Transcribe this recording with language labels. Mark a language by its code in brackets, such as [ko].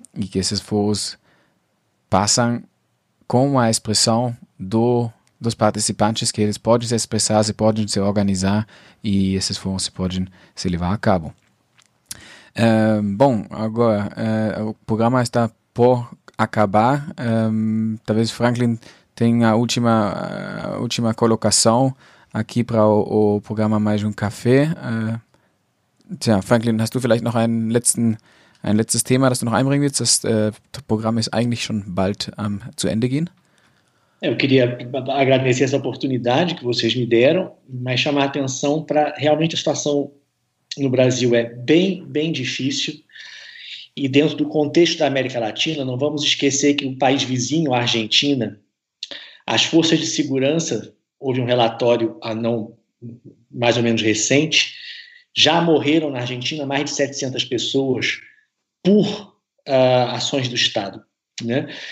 [pt] que esses foros passam com a expressão dos participantes, que eles podem se expressar, se podem se organizar e esses foros podem se levar a cabo. Bom, agora o programa está por acabar. Talvez Franklin tenha a última colocação aqui para o programa Mais Café. [de] Tja, Franklin, hast du vielleicht noch ein letztes Thema, das du noch einbringen willst? Das Programm ist eigentlich schon bald zu Ende gehen. [pt] Eu queria agradecer essa oportunidade que vocês me deram, mas chamar a atenção para realmente a situação no Brasil é bem, bem difícil. E dentro do contexto da América Latina, não vamos esquecer que um país vizinho, a Argentina, as forças de segurança, houve um relatório mais ou menos recente, já morreram na Argentina mais de 700 pessoas por ações do Estado. Né?